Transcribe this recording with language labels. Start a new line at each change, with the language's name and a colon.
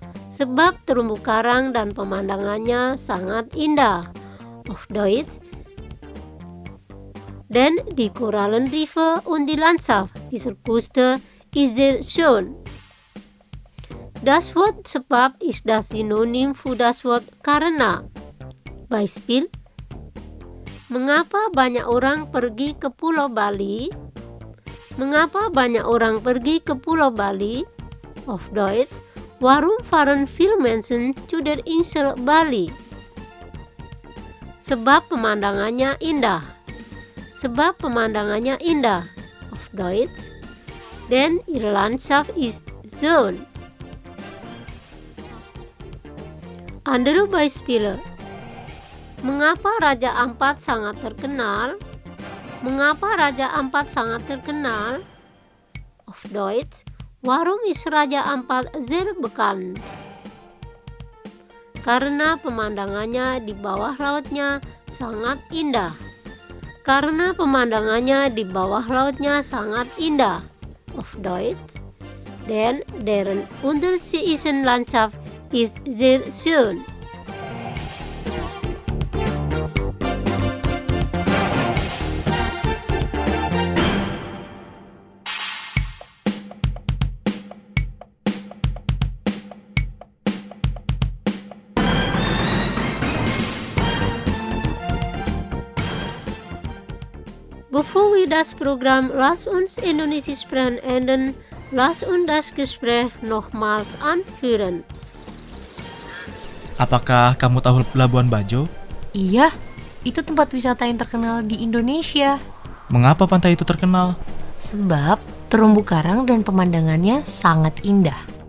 Indonesian: Sebab terumbu karang dan pemandangannya sangat indah.
German: Oh, Deutsch. Dan di Korallen River und die Landschaft, die Küste ist sehr schön. Das Wort sebab ist das Synonym für das Wort karena. Beispiel.
Indonesian: Mengapa banyak orang pergi ke Pulau Bali? Mengapa banyak orang pergi ke Pulau Bali?
German: Auf Deutsch. Warum fahren viele Menschen zu der Insel Bali?
Indonesian: Sebab pemandangannya indah. Sebab pemandangannya indah.
German: Auf Deutsch. Denn ihre Landschaft ist schön. Andere Beispiele.
Indonesian: Mengapa Raja Ampat sangat terkenal? Mengapa Raja Ampat sangat terkenal?
German: Auf Deutsch. Warum ist Raja Ampat sehr bekannt?
Indonesian: Karena pemandangannya di bawah lautnya sangat indah. Karena pemandangannya di bawah lautnya sangat indah.
German: Auf Deutsch. Denn deren Unterseeischen Landschaft ist sehr schön. Bevor wir das Programm Lass uns Indonesisch sprechen enden, lass uns das Gespräch nochmals anführen.
Indonesian: Apakah kamu tahu Labuan Bajo? Iya, itu tempat wisata yang terkenal di Indonesia. Mengapa pantai itu terkenal? Sebab terumbu karang dan pemandangannya sangat indah.